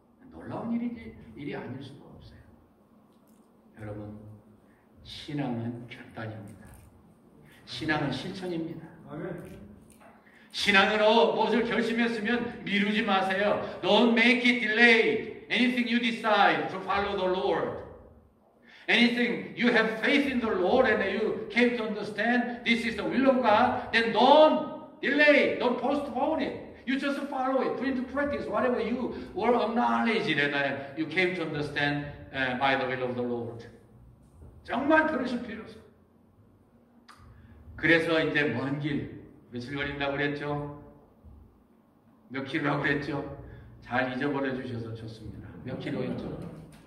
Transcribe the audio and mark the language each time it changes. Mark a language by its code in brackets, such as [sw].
[ko] 놀라운 일이 아닐 수가 없어요. 여러분 신앙은 결단입니다. 신앙은 실천입니다. 아멘. 신앙으로 무엇을 결심했으면 미루지 마세요. [en] Don't make it delayed. Anything you decide to follow the Lord. Anything you have faith in the Lord and you came to understand this is the will of God, then don't delay, don't postpone it. You just follow it, put into practice whatever you were acknowledged and you came to understand by the will of the Lord. [ko] 정말 그러실 필요 없어. 그래서 이제 먼 길, 며칠 걸린다고 그랬죠? 몇 킬로라고 그랬죠? 잘 잊어버려 주셔서 좋습니다. 몇 킬로였죠?